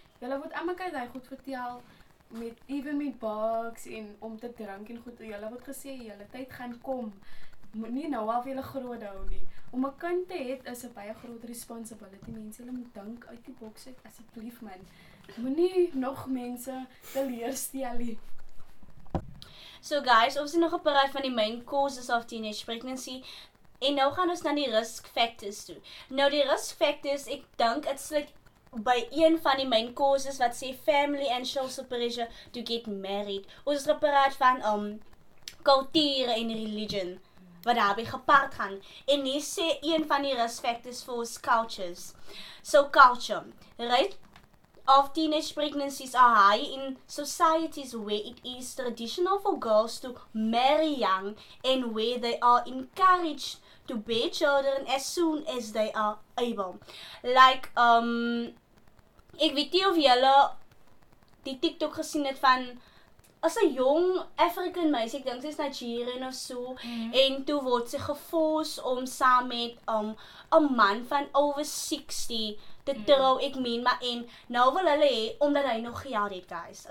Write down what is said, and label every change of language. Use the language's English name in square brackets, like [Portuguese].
[Afrikaans] Julle moet almekaar daai goed vertel. Met even met bugs en om te drink en goed, julle wat gesê, julle tyd gaan kom. Moet nie nou al vir julle groot hou nie. Om 'n kind te het is 'n baie groot responsibility. Mense, julle moet dink uit die boks uit asseblief man. Moenie nog mense teleurstel nie. So guys, ons is nog 'n paar van die [English] main causes of teenage pregnancy. [Afrikaans] En nou gaan ons na die risk factors toe. Nou die risk factors, ek dink dit sluit by een van die main causes wat sê [English] family and social pressure to get married. [Afrikaans] Ons is gepraat van kultuur en religion wat daarby gepaard gaan. En hier sê een van die risk factors vir ons cultures. [English] So culture, right? Of teenage pregnancies are high in societies where it is traditional for girls to marry young and where they are encouraged to bear children as soon as they are able. [Afrikaans] Like, ek weet nie of julle die TikTok gesien het van as 'n jong African meisie, ek dink sy is Nigerian of so, en toe word sy gefors om saam met 'n man van over 60 te trou, ek meen, maar en nou wil hulle hê omdat hy nog geld het, guys.